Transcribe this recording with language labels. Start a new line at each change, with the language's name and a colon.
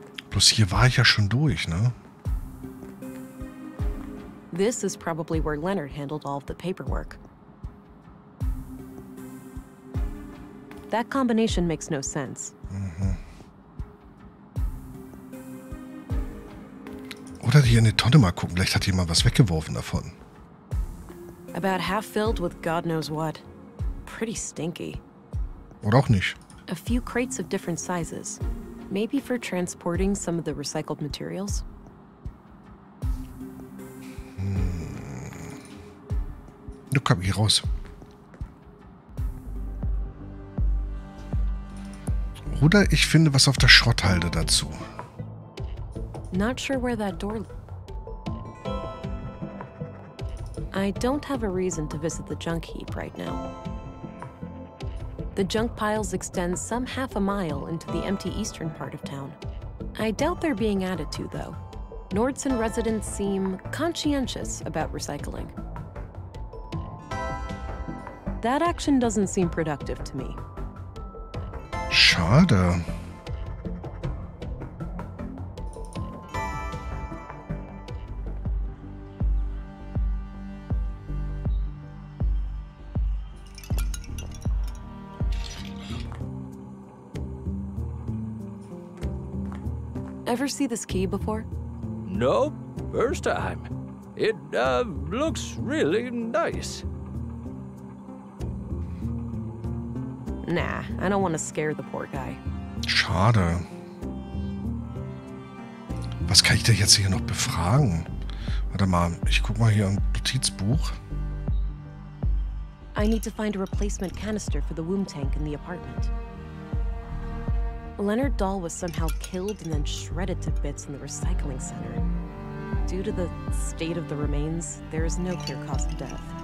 German: Plus hier war ich ja schon durch, ne?
English: This is probably where Leonard handled all of the paperwork. That combination makes no sense.
German: Oder hier in die Tonne mal gucken, vielleicht hat jemand was weggeworfen davon.
English: About half filled with God knows what. Pretty stinky.
German: Oder auch nicht.
English: A few crates of different sizes. Maybe for transporting some of the recycled materials.
German: Du komm hier raus. Oder ich finde was auf der Schrotthalde dazu.
English: Not sure where that door. I don't have a reason to visit the junk heap right now. The junk piles extend some half a mile into the empty eastern part of town. I doubt they're being added to, though. Nordson residents seem conscientious about recycling. That action doesn't seem productive to me.
German: Schade.
English: Ever see this key before? Nope, first time. It looks really nice. Nah, I don't want to scare the poor guy.
German: Schade. Was kann ich denn jetzt hier noch befragen? Warte mal, ich guck mal hier im Notizbuch.
English: I need to find a replacement canister for the womb tank in the apartment. Leonard Dahl was somehow killed and then shredded to bits in the recycling center. Due to the state of the remains, there is no clear cause of death.